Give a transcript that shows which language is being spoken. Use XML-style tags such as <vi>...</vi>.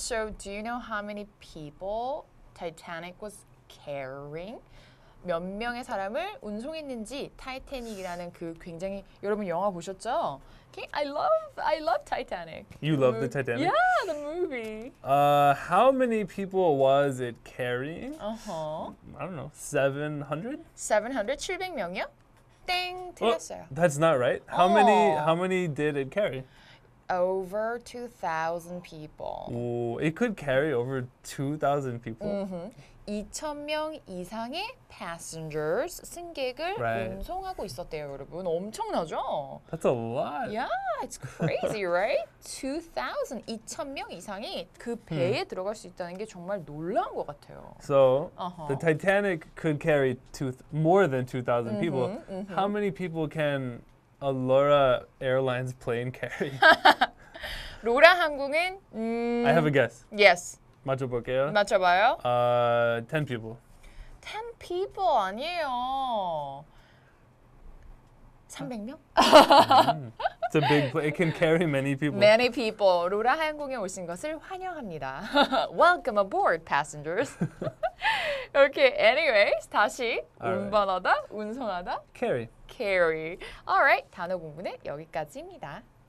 <en>So do you know how many people Titanic was carrying?</en> <ko>몇 명의 사람을 운송했는지 타이타닉이라는 그 굉장히 여러분 영화 보셨죠?</ko> <en>Okay, I love Titanic. You love the Titanic? Yeah, the movie. How many people was it carrying? Uh-huh. I don't know. 700?</en> <ko>700, 700명이요? 땡, 틀렸어요. Well,</ko> <en>that's not right. How many did it carry? Over 2,000 people. Ooh, it could carry over 2,000 people.</en> <ko>Mm-hmm. 2,000명 이상의 passengers, 승객을 right. 운송하고 있었대요, 여러분. 엄청나죠?</ko> <en>That's a lot. Yeah, it's crazy, right?</en> <ko>2,000, 2,000명 이상이 그 배에 들어갈 수 있다는 게 정말 놀라운 것 같아요.</ko> <en>So, the Titanic could carry more than 2,000 people. Mm-hmm, mm-hmm. How many people can Alora Airlines plane carry.</en> <ko>로라 항공은</ko> <en>I have a guess. Yes.</en> <ko>맞춰볼게요. 맞춰봐요.</ko> <en>10 people.</en> <ko>10 people 아니에요. 300명?</ko> <en>It's a big plane. It can carry many people. Many people.</en> <ko>로라 항공에 오신 것을 환영합니다.</ko> <en>Welcome aboard, passengers. Okay, anyways,</en> <ko>다시 All 운반하다, right. 운송하다.</ko> <en>Carry.</en> <ko>Carry. Alright, 단어 공부는 여기까지입니다.</ko>